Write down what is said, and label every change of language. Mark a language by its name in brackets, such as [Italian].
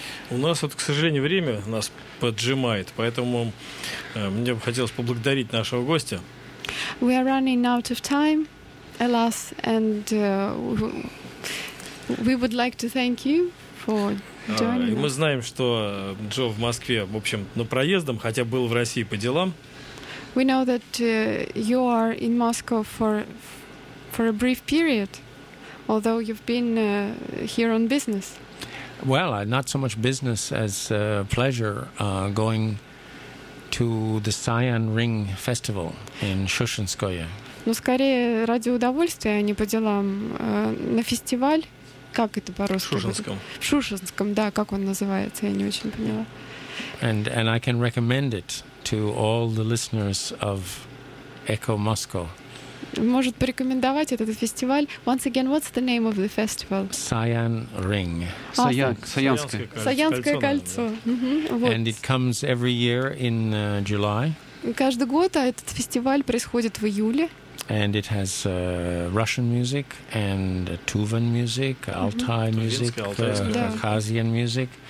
[Russian] У нас, вот, к сожалению, время нас поджимает, поэтому мне бы хотелось поблагодарить нашего гостя. [English] We are running out of time, alas, and we would like to thank you for joining us. [Russian] Мы знаем, что Джо в Москве, в общем, на проездом, хотя был в России по делам. [English] We know that you are in Moscow for a brief period, although you've been here on business. Well, not so much business as pleasure going to the Cyan Ring Festival in Shushinskoye. [Russian] Ну, скорее ради удовольствия, а не по делам, на фестиваль, как это по-русски? В Шушинском. В Шушинском, да, как он называется, я не очень поняла. [English] And I can recommend it to all the listeners of Echo Moscow. [Russian] Может порекомендовать этот фестиваль? [English] Once again, what's the name of the festival? Cyan Ring. [Russian] Саянское кольцо. Саянское кольцо. [English] And it comes every year in July. [Russian] Каждый год этот фестиваль происходит в июле. [English] And it has Russian music and Tuvan music, Altai music, Khazian music.